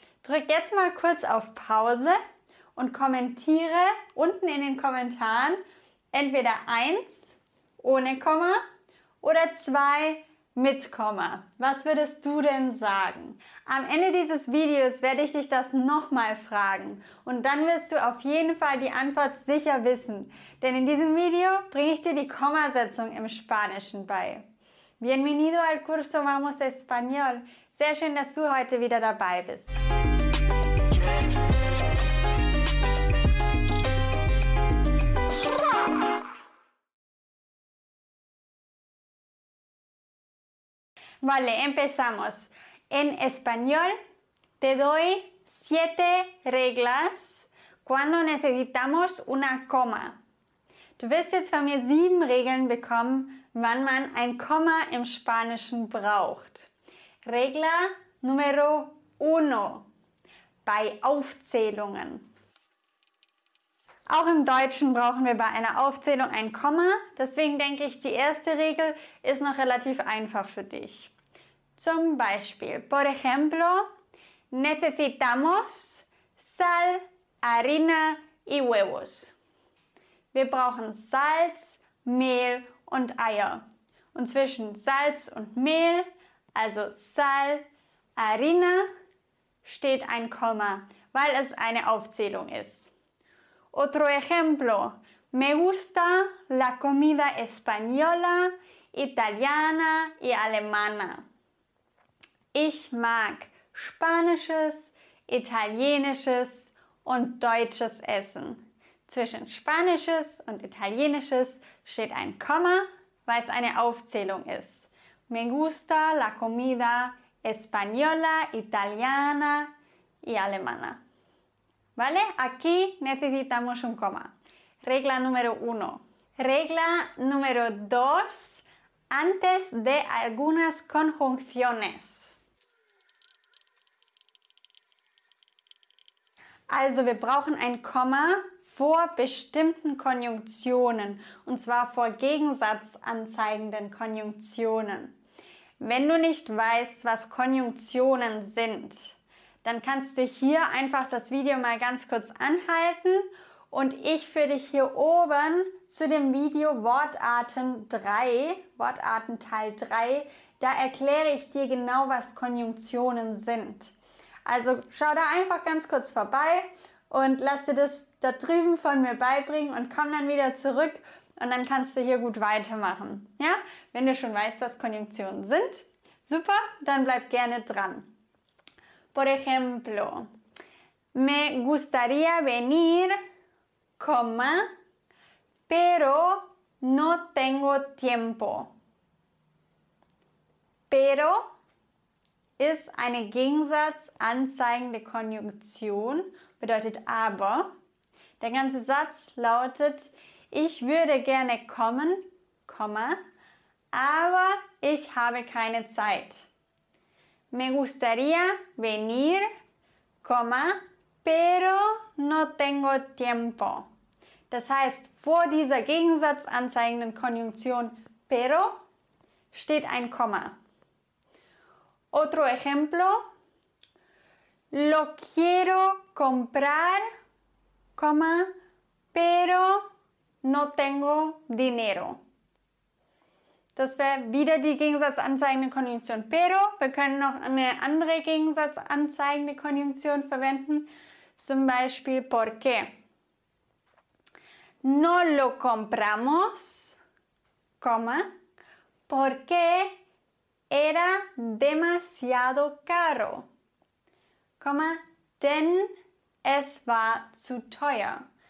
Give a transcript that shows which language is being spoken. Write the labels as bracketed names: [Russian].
[German] Drück jetzt mal kurz auf Pause und kommentiere unten in den Kommentaren entweder 1 ohne Komma oder 2 mit Komma. Was würdest du denn sagen? Am Ende dieses Videos werde ich dich das nochmal fragen und dann wirst du auf jeden Fall die Antwort sicher wissen, denn in diesem Video bringe ich dir die Kommasetzung im Spanischen bei. [Spanish] Bienvenido al curso Vamos Español. [German] Sehr schön, dass du heute wieder dabei bist. [Spanish] Vale, empezamos. En español te doy 7 reglas cuando necesitamos una coma. [German] Du wirst jetzt von mir 7 Regeln bekommen, wann man ein Komma im Spanischen braucht. [Spanish] Regla número uno. [German] Bei Aufzählungen. Auch im Deutschen brauchen wir bei einer Aufzählung ein Komma. Deswegen denke ich, die erste Regel ist noch relativ einfach für dich. Zum Beispiel, [Spanish] por ejemplo, necesitamos sal, harina y huevos. [German] Wir brauchen Salz, Mehl und Eier. Und zwischen Salz und Mehl, also [Spanish] sal, harina, [German] steht ein Komma, weil es eine Aufzählung ist. [Spanish] Otro ejemplo, me gusta la comida española, italiana y alemana. [German] Ich mag spanisches, italienisches und deutsches Essen. Zwischen spanisches und italienisches steht ein Komma, weil es eine Aufzählung ist. [Spanish] Me gusta la comida española, italiana y alemana. ¿Vale? Aquí necesitamos un coma. Regla número uno. Regla número dos. Antes de algunas conjunciones. [German] Also, wir brauchen ein Komma vor bestimmten Konjunktionen, und zwar vor gegensatzanzeigenden Konjunktionen. Wenn du nicht weißt, was Konjunktionen sind, dann kannst du hier einfach das Video mal ganz kurz anhalten und ich führe dich hier oben zu dem Video Wortarten Teil 3, da erkläre ich dir genau, was Konjunktionen sind. Also schau da einfach ganz kurz vorbei und lass dir das da drüben von mir beibringen und komm dann wieder zurück und dann kannst du hier gut weitermachen. Ja, wenn du schon weißt, was Konjunktionen sind, super, dann bleib gerne dran. [Spanish] Por ejemplo, me gustaría venir, coma, pero no tengo tiempo. [German] Pero ist eine gegensatzanzeigende Konjunktion, bedeutet aber. Der ganze Satz lautet, ich würde gerne kommen, Komma, aber ich habe keine Zeit. [Spanish] Me gustaría venir, Komma, pero no tengo tiempo. [German] Das heißt, vor dieser gegensatzanzeigenden Konjunktion pero steht ein Komma. [Spanish] Otro ejemplo, lo quiero comprar, coma, pero no tengo dinero. [German] Das wäre wieder die gegensatzanzeigende Konjunktion pero. Wir können noch eine andere gegensatzanzeigende Konjunktion verwenden, zum Beispiel porque. [Spanish] No lo compramos, porque era demasiado caro, [German] denn es war zu teuer.